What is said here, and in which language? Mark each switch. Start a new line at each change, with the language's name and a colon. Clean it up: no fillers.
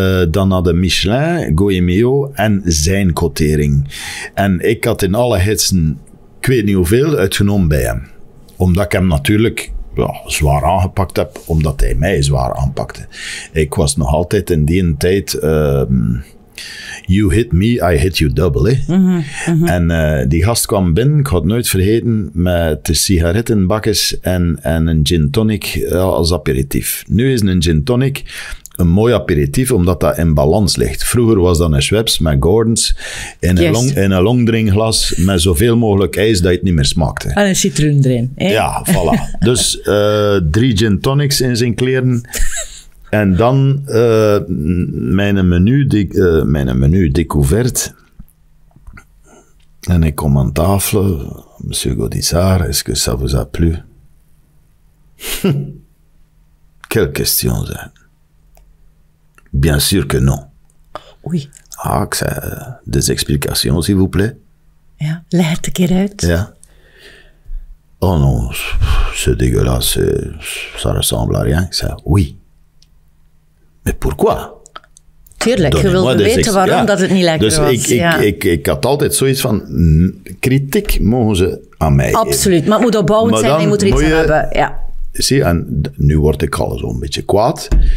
Dutch: Dan hadden Michelin, Goemio en zijn quotering. En ik had in alle hitsen, ik weet niet hoeveel, uitgenomen bij hem. Omdat ik hem natuurlijk zwaar aangepakt heb, omdat hij mij zwaar aanpakte. Ik was nog altijd in die tijd...
English: You hit me, I hit you double. Eh? Mm-hmm, mm-hmm.
Dutch: En die gast kwam binnen, ik had nooit vergeten, met de sigarettenbakjes en een gin tonic als aperitief. Nu is een gin tonic een mooi aperitief, omdat dat in balans ligt. Vroeger was dat een Schweppes met Gordons in een longdrinkglas met zoveel mogelijk ijs dat je het niet meer smaakte. En een citroen erin. Eh? Ja, voilà. Dus 3 gin tonics in zijn kleren. En dan mijn menu, découvert. En ik kom aan tafel.
French: Monsieur Gaudissart, est-ce que ça vous a plu? Quelle question, ça? Bien sûr que non. Oui.
Dutch: Ah, ik zei,
French: des explications, s'il vous plaît.
Dutch: Ja, leg het een keer uit. Ja.
French: Oh non, c'est dégueulasse, ça ressemble à rien.
Dutch: Ik zei,
French: oui.
Dutch: Maar
French: pourquoi?
Dutch: Tuurlijk, je wil weten waarom dat het niet lekker dus was. Dus ik had altijd zoiets van, kritiek mogen ze aan mij absoluut, geven. Maar het moet opbouwend maar zijn, je moet er iets aan hebben. Ja. Zie, en nu word ik al zo'n beetje kwaad.